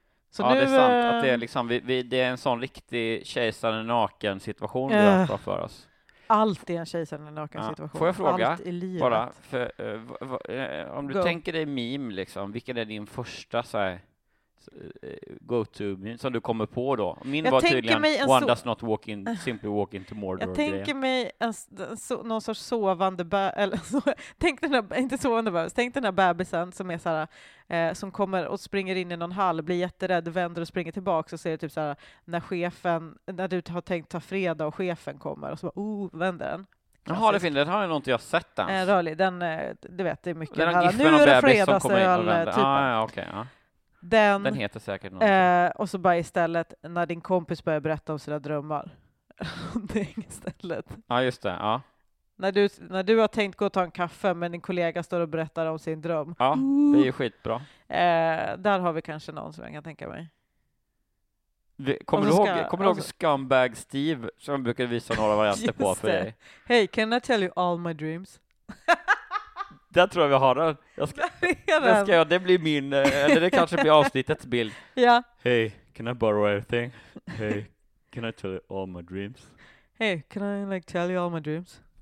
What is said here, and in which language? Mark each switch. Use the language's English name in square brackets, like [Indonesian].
[Swedish] Så ja, nu, det är sant att det är, liksom, det är en sån riktig kejsare naken situation vi har framför oss. Allt är en kejsare naken situation. Får jag fråga? Allt i livet. Bara, för, om du tänker dig meme, liksom, vilken är din första så här, go-to som du kommer på då? Min jag var tydligen mig en [English] One does not walk in, simply walk into Mordor. [Swedish] Jag tänker mig någon sorts sovande tänk den här bebisen som är så här, som kommer och springer in i någon hall, blir jätterädd, vänder och springer tillbaka och ser typ så här, när chefen, när du har tänkt ta fredag och chefen kommer och så bara, oh, vänder den. Jaha, det finns, det har jag nog inte jag sett ens. Rörlig, den, du vet, det är mycket den här, nu är det fredagsöl typen. Ah, ja, okej, okay, ja. Den heter säkert och så bara istället när din kompis börjar berätta om sina drömmar. Det är inget stället. Ja, just det. Ja. När du har tänkt gå och ta en kaffe men din kollega står och berättar om sin dröm. Ja, det är ju skitbra. Där har vi kanske någon som jag kan tänka mig. Kommer du ihåg Scumbag Steve som brukar visa några varianter på för dig? [English] Hey, can I tell you all my dreams? [Swedish] Där tror jag vi har den. Det blir min, eller det kanske blir avsnittets bild. Ja. [English] Hey, can I borrow everything? Hey, can I tell you all my dreams? Hey, can I like tell you all my dreams?